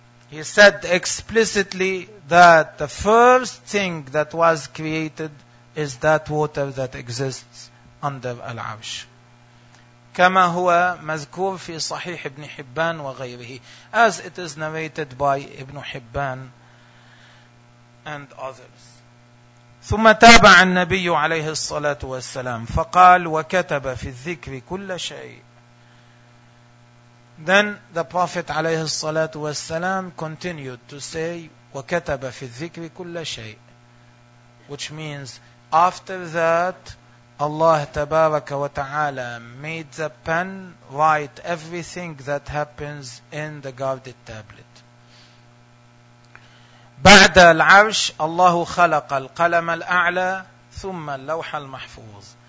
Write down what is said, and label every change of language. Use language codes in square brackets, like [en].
[en] He said explicitly that the first thing that was created is that water that exists under العرش. [ar] كما هو مذكور في صحيح ابن حبان وغيره. [en] As it is narrated by Ibn Hibban and others. [ar] ثم تابع النبي عليه الصلاة والسلام فقال وكتب في الذكر كل شيء. [en] Then the Prophet [ar] عليه الصلاة والسلام [en] continued to say [ar] وكتب في الذكر كل شيء, [en] which means after that Allah [ar] تبارك وتعالى [en] made the pen write everything that happens in the guarded tablet. [ar] بعد العرش الله خلق القلم الأعلى ثم اللوح المحفوظ.